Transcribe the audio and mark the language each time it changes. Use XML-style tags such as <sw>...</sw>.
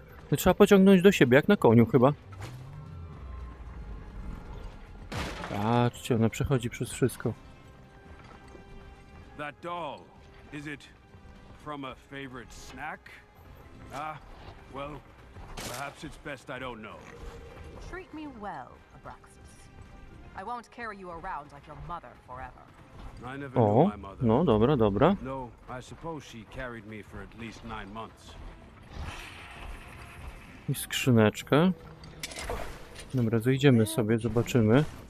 <pl>No, trzeba pociągnąć do siebie, jak na koniu chyba. Patrzcie, ona przechodzi przez wszystko.</pl> <en>That doll, is it from a favorite snack? Well, perhaps it's best I don't know. Treat me well, Abraxas. I won't carry you around like your mother forever. I never knew my mother.</en> <pl>No, dobra, dobra.</pl> <en>No, I suppose she carried me for at least 9 months.</en> <pl>I skrzyneczka. Dobra, zejdziemy sobie, zobaczymy.</pl>